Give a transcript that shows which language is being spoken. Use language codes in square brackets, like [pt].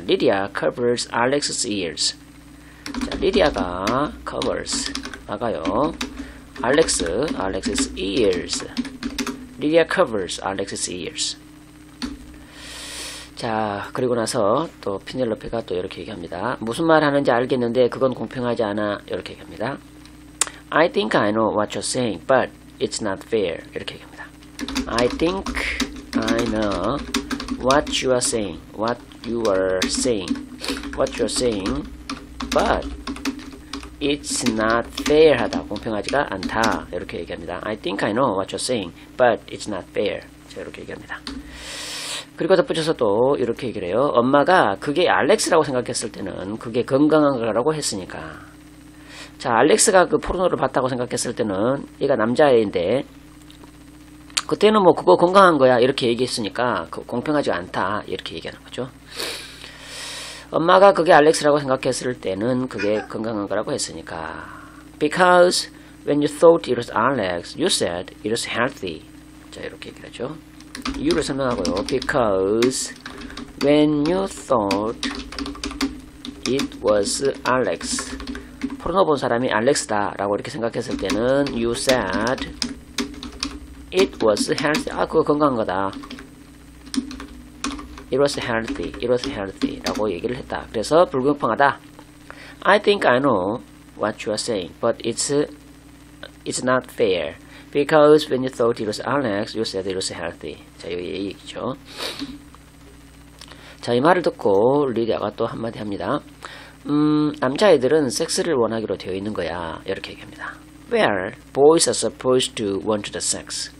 [en] Lydia covers Alex's ears. [ko] 자, 리디아가 [en] covers [ko] 막아요. [en] Alex's ears. Lydia covers Alex's ears. [ko] 자, 그리고 나서 또 피넬로페가 또 이렇게 얘기합니다. 무슨 말 하는지 알겠는데 그건 공평하지 않아. 이렇게 얘기합니다. [en] I think I know what you're saying, but it's not fair. [ko] 이렇게 얘기합니다. [en] I think I know what you are saying. What you are saying. What you're saying. But it's not fair 하다. [ko] 공평하지가 않다. 이렇게 얘기합니다. [en] I think I know what you're saying, but it's not fair. [ko] 자, 이렇게 얘기합니다. 그리고 덧붙여서 또 이렇게 얘기를 해요. 엄마가 그게 알렉스라고 생각했을 때는 그게 건강한 거라고 했으니까. 자, 알렉스가 그 포르노를 봤다고 생각했을 때는 얘가 남자애인데 그때는 뭐 그거 건강한 거야. 이렇게 얘기했으니까 그 공평하지가 않다. 이렇게 얘기하는 거죠. 엄마가 그게 알렉스라고 생각했을 때는 그게 건강한 거라고 했으니까. [en] Because when you thought it was Alex, you said it was healthy. [ko] 자, 이렇게 얘기를 하죠. 이유를 설명하고요. [en] Because when you thought it was Alex. [ko] 포르노 본 사람이 알렉스다 라고 이렇게 생각했을 때는 [en] you said it was healthy. [ko] 아, 그거 건강한 거다. [en] It was healthy. It was healthy. [ko] 라고 얘기를 했다. 그래서 불공평하다. [en] I think I know what you are saying, but it's not fair. Because when you thought it was Alex, you said it was healthy. [ko] 자, 이 얘기죠. 자, 이 말을 듣고 리디아가 또 한마디 합니다. 남자애들은 섹스를 원하기로 되어 있는 거야. 이렇게 얘기합니다. [en] Where boys are supposed to want the sex.